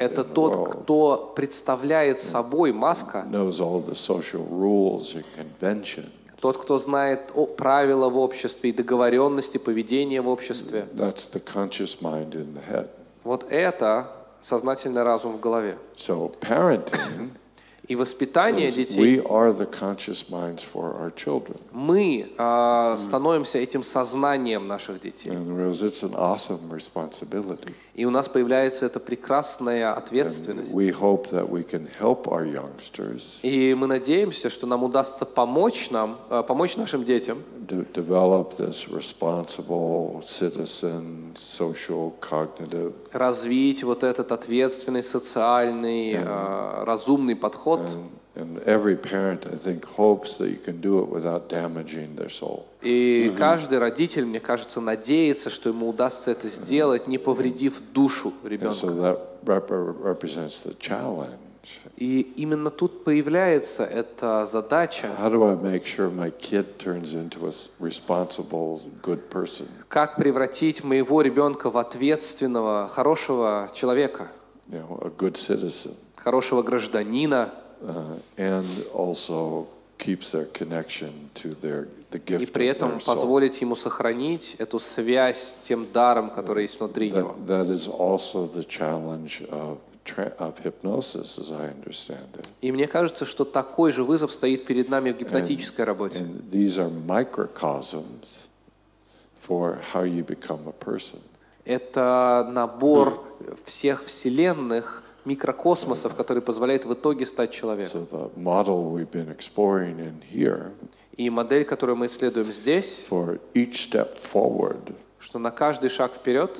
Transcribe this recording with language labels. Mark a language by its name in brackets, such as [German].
[Russian] Это тот, кто представляет собой маска. [English] Knows all the social rules and conventions. [Russian] Тот, кто знает правила в обществе и договоренности поведения в обществе. [English] That's the conscious mind in the head. [Russian] Вот это сознательный разум в голове. [English] So parenting, [Russian] и воспитание детей. [English] We are the conscious minds for our children. [Russian] Мы становимся этим сознанием наших детей. [English] It's an awesome responsibility. [Russian] И у нас появляется эта прекрасная ответственность. [English] And we hope that we can help our youngsters. [Russian] И мы надеемся, что нам удастся помочь нашим детям. [English] Develop this responsible citizen, social, cognitive. [Russian] Развить вот этот ответственный, социальный, разумный подход. [English] And every parent, I think, hopes that you can do it without damaging their soul. [Russian] И каждый родитель, мне кажется, надеется, что ему удастся это сделать, не повредив душу ребенка. [English] So that represents the challenge. [Russian] И именно тут появляется эта задача. [English] How do I make sure my kid turns into a responsible, good person? [Russian] Как превратить моего ребенка в ответственного, хорошего человека? [English] You know, a good citizen. [Russian] Хорошего гражданина. [English] And also keeps their connection to the gift of their soul. [Russian] И при этом позволить ему сохранить эту связь с тем даром, который есть внутри него. [English] That is also the challenge of hypnosis, as I understand it. [Russian] И мне кажется, что такой же вызов стоит перед нами в гипнотической работе. [English] And these are microcosms for how you become a person. [Russian] Это набор всех вселенных микрокосмосов, который позволяет в итоге стать человеком. [English] So the model we've been exploring in here. [Russian] И модель, которую мы исследуем здесь. For each step forward. Что на каждый шаг вперед.